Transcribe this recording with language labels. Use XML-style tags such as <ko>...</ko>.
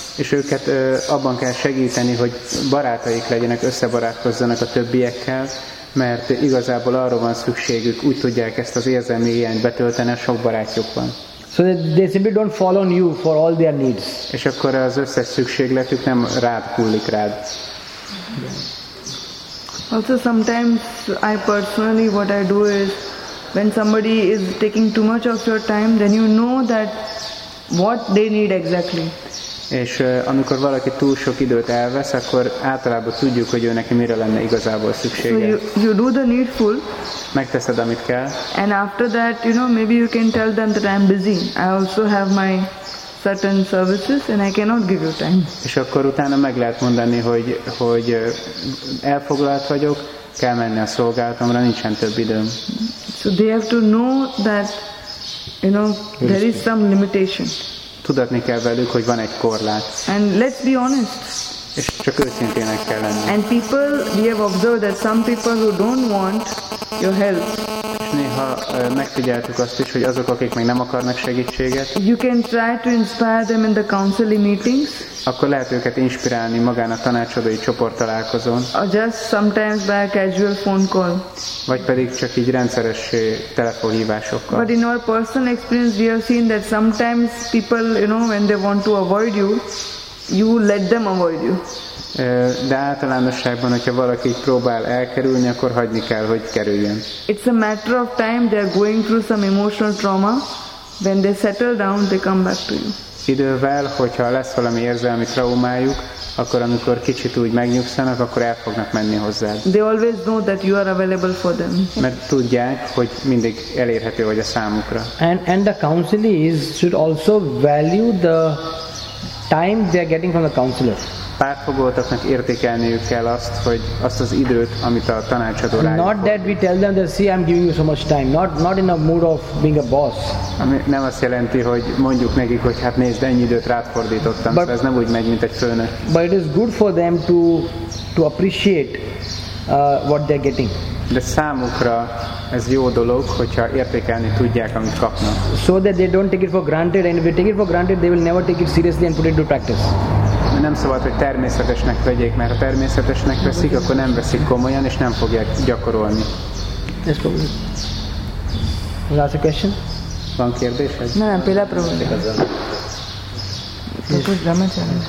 <hu>És őket abban kell segíteni, hogy barátaik legyenek, összebarátkozzanak a többiekkel, mert igazából arról van szükségük, úgy tudják ezt az érzelmi hiányt betölteni, sok barátjuk van.</hu> <en>So they simply don't fall on you for all their needs.</en> <hu>És akkor az összes szükségletük nem rád kullik rád.</hu> <en>Also sometimes I personally what I do is when somebody is taking too much of your time, then you know that what they need exactly.</en> <hu>És amikor valaki túl sok időt elvesz, akkor általában tudjuk, hogy ő neki mire lenne igazából szüksége.</hu> <en>So you do the needful.</en> <hu>Megteszed, amit kell.</hu> <en>And after that, you know, maybe you can tell them that I'm busy. I also have my certain services and I cannot give you time.</en> <hu>És akkor utána meg lehet mondani, hogy elfoglalt vagyok, kell menni a szolgálatomra, nincsen több időm.</hu> <en>So they have to know that, you know, there is some limitation.</en> <hu>Tudatni kell velük, hogy van egy korlát.</hu> <en>And let's be honest.</en> <hu>És csak őszintének kell lenni.</hu> <en>And people, we have observed that some people who don't want your help.</en> <hu>És néha megfigyeltük azt is, hogy azok, akik még nem akarnak segítséget.</hu> <en>You can try to inspire them in the counseling meetings.</en> <hu>Akkor lehet őket inspirálni magán a tanácsadói csoport találkozón.</hu> <en>Or just sometimes by a casual phone call.</en> <hu>Vagy pedig csak így rendszeres telefonhívásokkal.</hu> <en>But in our personal experience we have seen that sometimes people, you know, when they want to avoid you, you let them avoid you. De általánosságban, hogyha valaki próbál elkerülni, akkor hagyni kell, hogy kerüljön. It's a matter of time, they are going through some emotional trauma. When they settle down, they come back to you.</en> <hu>Idővel, hogyha lesz valami érzelmi traumájuk, akkor amikor kicsit úgy megnyugszanak, akkor el fognak menni hozzád.</hu> <en>They always know that you are available for them.</en> <hu>Mert tudják, hogy mindig elérhető vagy a számukra.</hu> <en>And the counselees should also value the time they are getting from the counselor.</en> <hu>Pártfogoltaknak értékelniük kell azt, hogy azt az időt, amit a tanácsadó rájuk.</hu> <en>Not that we tell them that, see, I'm giving you so much time. Not in a mood of being a boss.</en> <hu>Ami nem azt jelenti, hogy mondjuk nekik, hogy hát nézd, ennyi időt rád fordítottam. Szóval ez nem úgy megy, mint egy főnök.</hu> <en>But it is good for them to to appreciate what they're getting.</en> <hu>De számukra ez jó dolog, hogyha értékelni tudják, amit kapnak.</hu> <en>So that they don't take it for granted, and if they take it for granted, they will never take it seriously and put it into practice.</en> <hu>Nem szabad, hogy természetesnek vegyék, mert ha természetesnek veszik, akkor nem veszik komolyan, és nem fogják gyakorolni.</hu> <en>Yes, probably. Last question?</en> <hu>Van kérdés? Nem, például probléma. Köszönjük, nem mentjen.</hu>